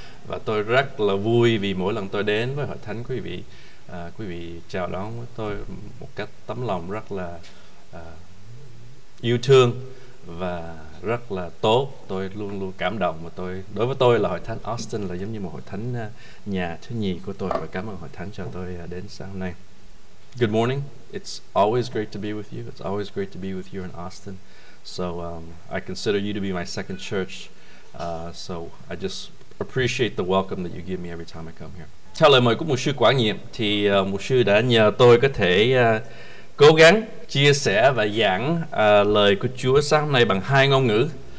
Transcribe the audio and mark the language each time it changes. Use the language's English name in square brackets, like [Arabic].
[Vietnamese] Và tôi rất là vui vì mỗi lần tôi đến với hội thánh quý vị chào đón với tôi một cách tấm lòng rất là yêu thương và rất là tốt. Tôi luôn luôn cảm động và tôi đối với tôi là hội thánh Austin là giống như một hội thánh nhà thứ nhì của tôi. Và cảm ơn hội thánh cho tôi đến sáng nay. [English] Good morning. It's always great to be with you. It's always great to be with you in Austin. So I consider you to be my second church. So I just appreciate the welcome that you give me every time I come here. [Vietnamese] Theo lời mời của mục sư quản nhiệm thì mục sư đã nhờ tôi có thể cố gắng chia sẻ và giảng lời của Chúa sáng hôm nay bằng hai ngôn ngữ.